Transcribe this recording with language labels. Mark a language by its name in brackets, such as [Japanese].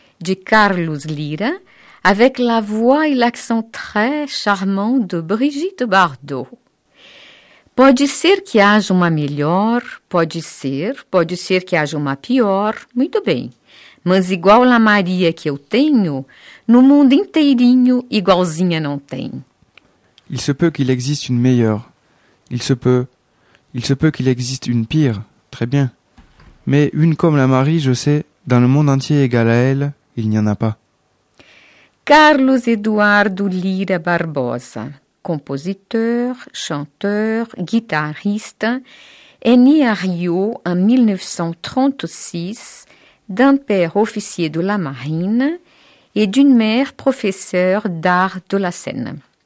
[French] De Carlos Lira, avec la voix et l'accent très charmant de Brigitte Bardot. [Portuguese] Pode ser que haja uma melhor, pode ser que haja uma pior, muito bem. Mas igual a Maria que eu tenho, no mundo inteirinho, igualzinha não tem. [French] Il se peut qu'il existe une meilleure. Il se peut qu'il existe une pire. Très bien. Mais une comme la Marie, je sais, dans le monde entier égale à elle, il n'y en a pas. Carlos Eduardo Lira Barbosa, compositeur, chanteur, guitariste, est né à Rio en 1936 d'un père officier de la marine et d'une mère professeure d'art de la scène.